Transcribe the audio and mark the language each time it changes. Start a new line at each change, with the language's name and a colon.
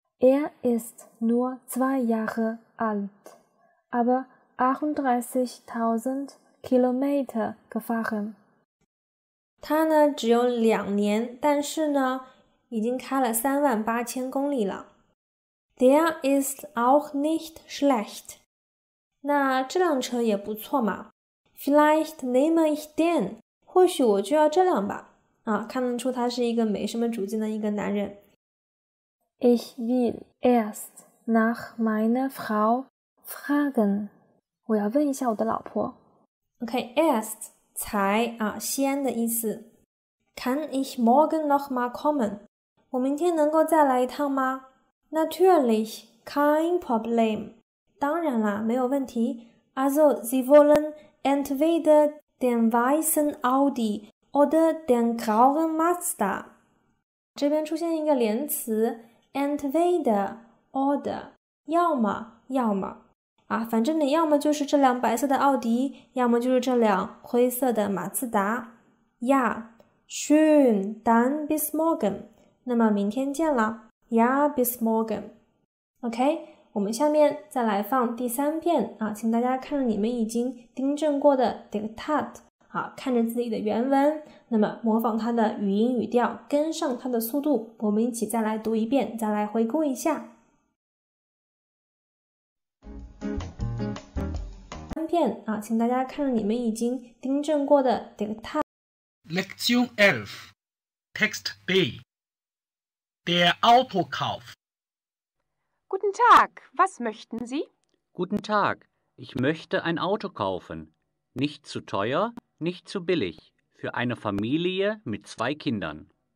German: Er ist nur zwei Jahre alt, aber 38,000Kilometer gefahren.
Chinese: 他呢只有两年，但是呢已经开了38,000公里了。
German: There ist auch nicht schlecht.
Chinese: 那这辆车也不错嘛。
German: Vielleicht nehme ich den.
Chinese: 或许我就要这辆吧。啊，看得出他是一个没什么主见的一个男人。
German: Ich will erst nach meiner Frau fragen.
Chinese: 我要问一下我的老婆。 OK, erst, 才啊，先的意思。
German: Kann ich morgen noch mal kommen?
Chinese: 我明天能够再来一趟吗？
German: Natürlich, kein Problem.
Chinese: 当然啦，没有问题。
German: Also, Sie wollen entweder den weißen Audi oder den grauen Mazda.
Chinese: 这边出现一个连词 entweder, oder, 要么，要么。啊，反正你要么就是这辆白色的奥迪，要么就是这辆灰色的马自达。
German: Ja, schön, dann bis morgen.
Chinese: 那么明天见了。
German: Ja, bis morgen.
Chinese: OK, 我们下面再来放第三遍啊，请大家看着你们已经订正过的 Diktat, 啊，看着自己的原文，那么模仿它的语音语调，跟上它的速度，我们一起再来读一遍，再来回顾一下。片啊，请大家看着你们已经订正过的 Diktat。
German: Lektion 11 Text B Der Autokauf. Guten Tag, was möchten Sie? Guten Tag, ich möchte ein Auto kaufen. Nicht zu teuer, nicht zu billig. Für eine Familie mit zwei Kindern.